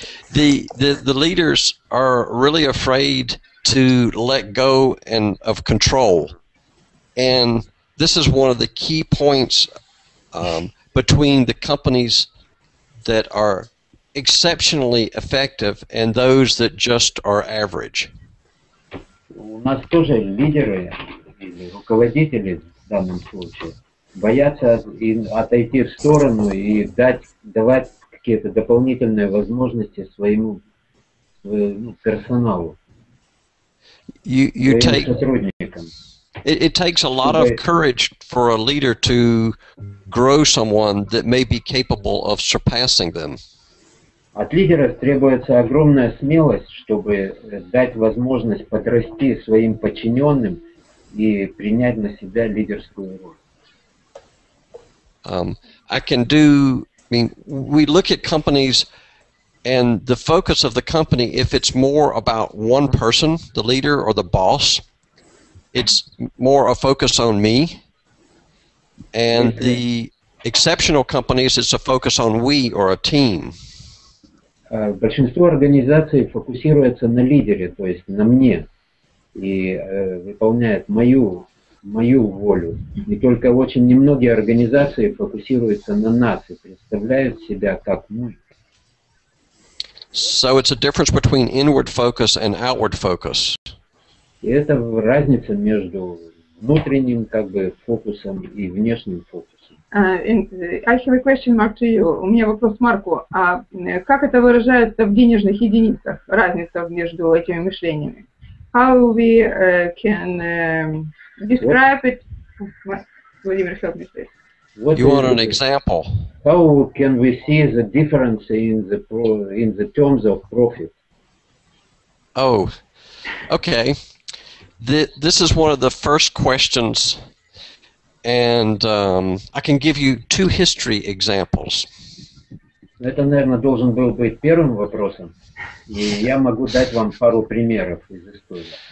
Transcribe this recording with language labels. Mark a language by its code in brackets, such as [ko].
[en] The leaders are really afraid to let go and of control, and this is one of the key points. Between the companies that are exceptionally effective and those that just are average. [ru] У нас тоже лидеры или руководители в данном случае боятся отойти в сторону и давать какие-то дополнительные возможности своему персоналу. [en] You take It takes a lot of courage for a leader to grow someone that may be capable of surpassing them. [ru] От лидера требуется огромная смелость, чтобы дать возможность подрасти своим подчиненным и принять на себя лидерскую роль. [en] We look at companies and the focus of the company, if it's more about one person, the leader or the boss, it's more a focus on me, and the exceptional companies, it's a focus on we or a team. [ru] Большинство организаций фокусируется на лидере, то есть на мне, и выполняет мою волю. И только очень немногие организации фокусируются на нас и представляют себя как мы. [en] So it's a difference between inward focus and outward focus. [ru] И это разница между внутренним как бы фокусом и внешним фокусом. [en] I have a question, Mark, to you. [ru] У меня вопрос Марку. А как это выражается в денежных единицах, разница между этими мышлениями? [en] How we can describe it? Владимир, help me, please. What you want an example? How can we see the difference in the terms of profit? Oh, okay. This is one of the first questions And I can give you two history examples. [ru] Это, наверное, должен был быть первым вопросом. И я могу дать вам пару примеров из истории.